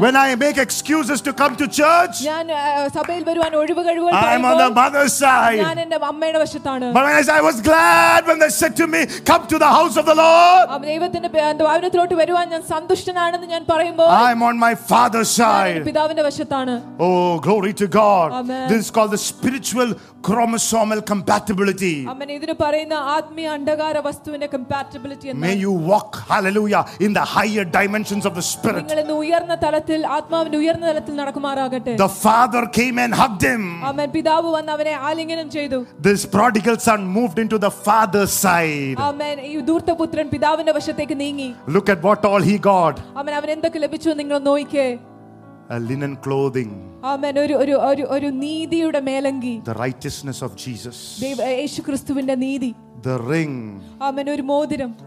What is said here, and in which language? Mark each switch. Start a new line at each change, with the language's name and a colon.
English: When I make excuses to come to church,
Malayalam: ഞാൻ സഭയിൽ വരുവാൻ ഒഴിവുകഴിവുകൾ പറയുമ്പോൾ
English: I am on the mother's side.
Malayalam: ഞാൻ എൻ്റെ അമ്മയുടെ വശത്താണ്.
English: But when I was glad when they said to me, come to the house of the Lord.
Malayalam: ദൈവത്തിന്റെ ഭവനത്തിലോട്ട് വരുവാൻ ഞാൻ സന്തുഷ്ടനാണെന്ന് ഞാൻ പറയുമ്പോൾ
English: I am on my father's side.
Malayalam: ഞാൻ പിതാവിന്റെ വശത്താണ്.
English: Oh, glory to God. Amen. This is called the spiritual chromosomal compatibility.
Malayalam: അമ്മേ ഇതിനെ പറയുന്ന ആത്മീയ അണ്ഡകാര വസ്തുവിന്റെ കമ്പാറ്റബിലിറ്റി എന്ന്.
English: May you walk, hallelujah, in the higher dimensions of the spirit.
Malayalam: നിങ്ങൾ ഇന്ന് ഉയർന്ന തലത്തിൽ ആത്മാവിന്റെ ഉയർന്ന തലത്തിൽ നടക്കുമാറാകട്ടെ.
English: The father came and hugged him.
Malayalam: അമ്മേ പിതാവ് വന്ന് അവനെ ആലിംഗനം ചെയ്തു.
English: This prodigal son moved into the father's side.
Malayalam: അമ്മേ ഈ ദൂർത്തപുത്രൻ പിതാവിന്റെ വശത്തേക്ക് നീങ്ങി.
English: Look at what all he got.
Malayalam: അമ്മേ അവൻ എന്തൊക്കെ ലഭിച്ചു നിങ്ങൾ നോക്കിയേ.
English: A linen clothing.
Malayalam: Amen. ഒരു നീതിയുടെ മേലങ്കി.
English: The righteousness of Jesus.
Malayalam: യേശുക്രിസ്തുവിന്റെ നീതി.
English: The ring.
Malayalam: Amen. ഒരു മോതിരം.